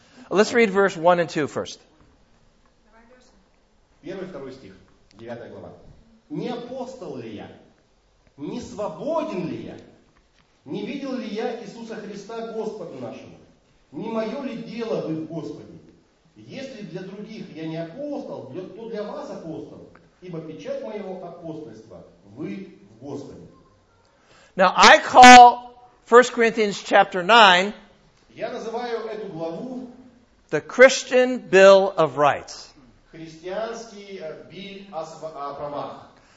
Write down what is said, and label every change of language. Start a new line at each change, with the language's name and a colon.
English: Let's read verse 1 and 2 first.
Russian: Первый, второй стих, 9 глава. Не апостол ли я? Не свободен ли я? Не видел ли я Иисуса Христа Господа нашего? Не мое ли дело вы в Господе? Если для других я не апостол, то для вас апостол, ибо печать моего апостольства вы в Господе.
English: Now I call 1 Corinthians chapter 9
Russian: Я называю эту главу
English: the Christian Bill of Rights.
Russian: Христианский биль о правах.